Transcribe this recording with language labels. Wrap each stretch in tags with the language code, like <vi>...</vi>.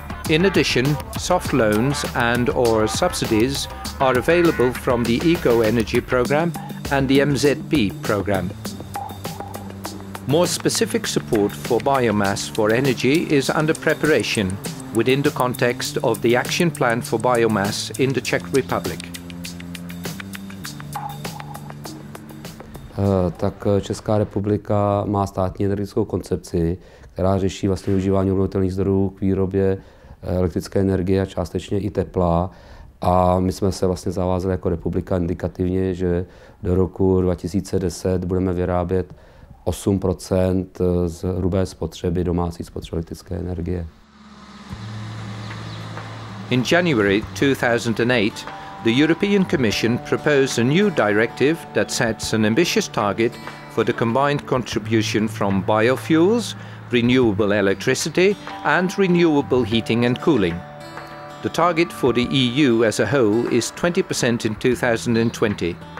<en>In addition, soft loans and/or subsidies are available from the Eco Energy Programme and the MZP Programme. More specific support for biomass for energy is under preparation, within the context of the action plan for biomass in the Czech Republic.</en> <cs>Tak Česká republika má státní energetickou koncepci, která řeší vlastně využívání obnovitelných zdrojů k výrobě elektrické energie a částečně i tepla. A my jsme se vlastně zavázali jako republika indikativně, že do roku 2010 budeme vyrábět 8% z hrubé spotřeby domácí spotřeby elektrické energie.</cs> <en>In January 2008, the European Commission proposed a new directive that sets an ambitious target for the combined contribution from biofuels, renewable electricity, and renewable heating and cooling. The target for the EU as a whole is 20% in 2020.</en>